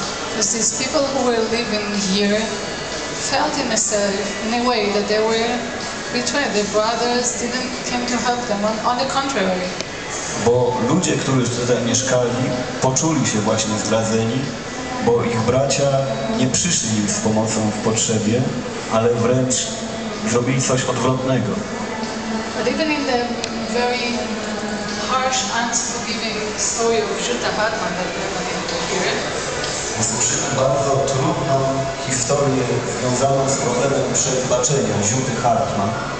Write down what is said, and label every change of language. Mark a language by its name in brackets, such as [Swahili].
[English] Because these people who were living here felt in a certain way that they were betrayed. Their brothers didn't come to help them. On the contrary. [Polish] Bo ludzie, którzy tutaj mieszkali, poczuli się właśnie zdradzeni, bo ich bracia nie przyszli im z pomocą w potrzebie, ale wręcz zrobili coś odwrotnego. [English] But even in the very harsh, unforgiving story of Shuta Padman that [Polish] usłyszymy bardzo trudną historię związaną z problemem przebaczenia Juty Hartman.